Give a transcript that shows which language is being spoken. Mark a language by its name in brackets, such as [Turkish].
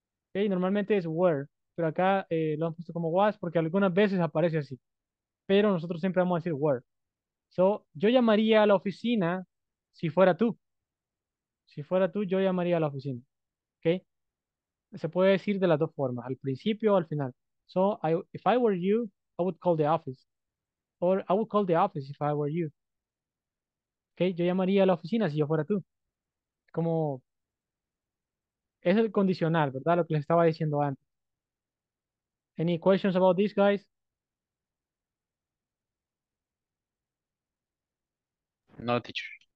[Spanish] Okay, normalmente es were, pero acá lo han puesto como was, porque algunas veces aparece así, pero nosotros siempre vamos a decir were. So, yo llamaría a la oficina si fuera tú. Si fuera tú, yo llamaría a la oficina. Okay. Se puede decir de las dos formas, al principio o al final. [English] So, if I were you, I would call the office. Or I would call the office if I were you. Okay. [Spanish] Yo llamaría a la oficina si yo fuera tú. Como es el condicional, ¿verdad? Lo que les estaba diciendo antes. [English] Any questions about this, guys? No, teacher.